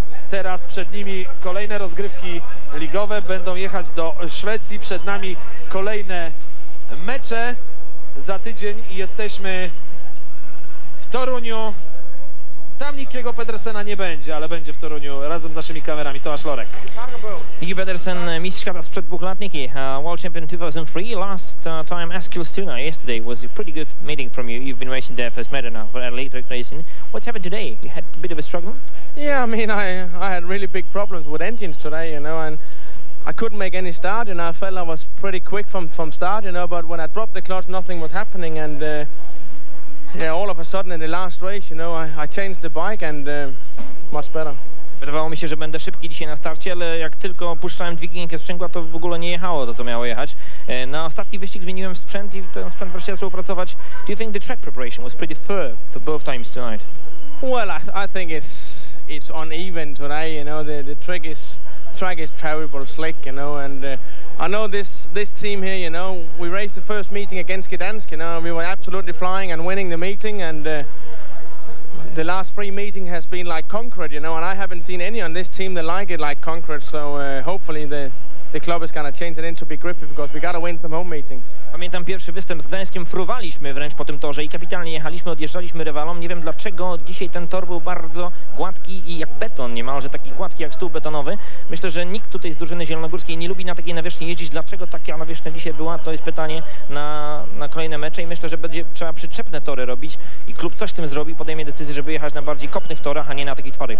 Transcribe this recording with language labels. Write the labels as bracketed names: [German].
[Polish] Teraz przed nimi kolejne rozgrywki ligowe, będą jechać do Szwecji. Przed nami kolejne mecze za tydzień i jesteśmy w Toruniu. Tam Nikiego Pedersena nie będzie, ale będzie w Toruniu razem z naszymi kamerami. Tomasz Lorek. Nigi Pedersen, mistrz świata sprzed dwóch lat, Nigi. [English] World Champion 2003, last time Eskilstuna yesterday was a pretty good meeting from you. You've been racing there first medal now, a late racing. What's happened today? You had a bit of a struggle? Yeah, I mean, I had really big problems with engines today, you know, and I couldn't make any start, you know. I felt I was pretty quick from start, you know, but when I dropped the clutch, nothing was happening, and yeah, all of a sudden in the last race, you know, I changed the bike and much better. [Polish] Wydawało mi się, że będę szybki dzisiaj na starcie, ale jak tylko puszczałem dźwignię sprzęgła, to w ogóle nie jechało to, co miało jechać. Na ostatni wyścig zmieniłem sprzęt i ten sprzęt wreszcie zaczął pracować. [English] Do you think the track preparation was pretty fair for both times tonight? Well, I think it's uneven today, you know. The track is terrible slick, you know, and I know this team here, you know, we raced the first meeting against Gdansk, you know, and we were absolutely flying and winning the meeting, and the last three meeting has been like concrete, you know, and I haven't seen any on this team that like it like concrete, so hopefully the club is gonna change it into big grippy, because we gotta win some home meetings. [Polish] Pamiętam pierwszy występ z Gdańskiem, fruwaliśmy wręcz po tym torze i kapitalnie jechaliśmy, odjeżdżaliśmy rywalom. Nie wiem dlaczego dzisiaj ten tor był bardzo gładki i jak beton niemalże, taki gładki jak stół betonowy. Myślę, że nikt tutaj z drużyny zielonogórskiej nie lubi na takiej nawierzchni jeździć. Dlaczego taka nawierzchnia dzisiaj była? To jest pytanie na kolejne mecze i myślę, że będzie trzeba przyczepne tory robić i klub coś z tym zrobi, podejmie decyzję, żeby jechać na bardziej kopnych torach, a nie na takich twardych.